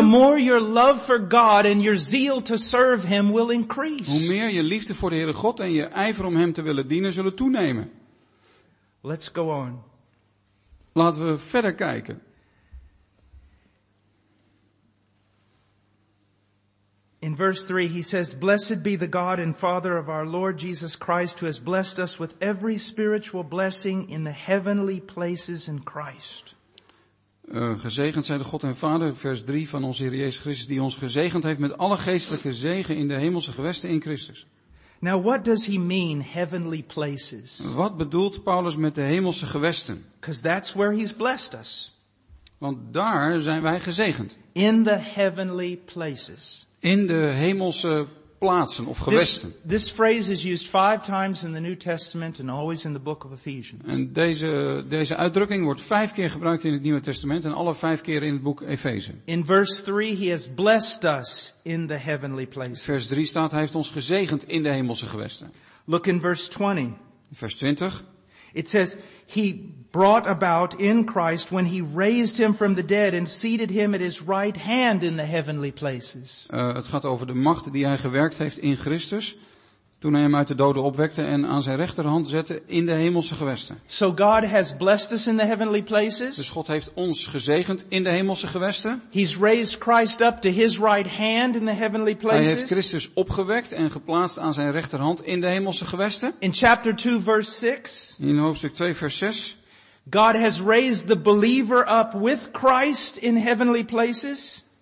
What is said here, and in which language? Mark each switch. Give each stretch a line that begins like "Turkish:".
English: the more your love for God and your zeal to serve him will increase.
Dutch: Hoe meer je liefde voor de Heere God en je ijver om hem te willen dienen zullen toenemen.
English: Let's go on.
Dutch: Laten we verder kijken.
English: In verse 3 he says, blessed be the God and Father of our Lord Jesus Christ, who has blessed us with every spiritual blessing in the heavenly places in Christ.
Dutch: Gezegend zij de God en Vader, vers 3 van onze Heer Jezus Christus, die ons gezegend heeft met alle geestelijke zegen in de hemelse gewesten in Christus.
English: Now what does he mean, heavenly places?
Dutch: Wat bedoelt Paulus met de hemelse gewesten?
English: Because that's where he's blessed us.
Dutch: Want daar zijn wij gezegend.
English: In the heavenly places.
Dutch: In de hemelse plaatsen of gewesten.
English: This phrase is used 5 times in the New Testament and always in the book of Ephesians.
Dutch: En deze uitdrukking wordt 5 keer gebruikt in het Nieuwe Testament en alle 5 keer in het boek Efeze.
English: In verse 3 he has blessed us in the heavenly places.
Dutch: Vers 3 staat, hij heeft ons gezegend in de hemelse gewesten.
English: Look in verse 20.
Dutch: Vers 20.
English: It says, he brought about in Christ when he raised him from the dead and seated him at his right hand in the heavenly places.
Dutch: Het gaat over de macht die hij gewerkt heeft in Christus, toen hij hem uit de doden opwekte en aan zijn rechterhand zette in de hemelse gewesten.
English: So God has blessed us in the heavenly places.
Dutch: Dus God heeft ons gezegend in de hemelse gewesten.
English: He's raised Christ up to his right hand in the heavenly places.
Dutch: Hij heeft Christus opgewekt en geplaatst aan zijn rechterhand in de hemelse gewesten.
English: In chapter 2 verse 6.
Dutch: In hoofdstuk 2 vers 6.
English: God has raised the believer up with Christ in heavenly places.